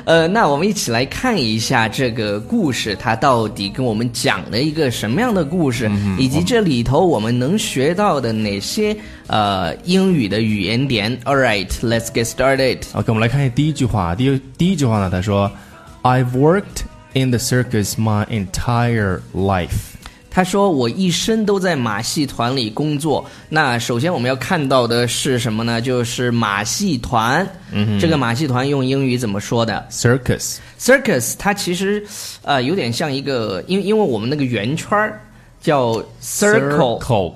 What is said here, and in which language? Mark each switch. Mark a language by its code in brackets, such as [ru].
[zh] 那我们一起来看一下这个故事，它到底跟我们讲了一个什么样的故事，以及这里头我们能学到的哪些英语的语言点。 [en] All right, let's get started. [zh] OK, 我们来看一下第一句话。第一句话呢，他说 [en] I've worked in the circus my entire life. [zh] 他说我一生都在马戏团里工作。那首先我们要看到的是什么呢？就是马戏团。这个马戏团用英语怎么说的 [en] ？Circus， [zh] 它其实，有点像一个，因为我们那个圆圈叫 circle，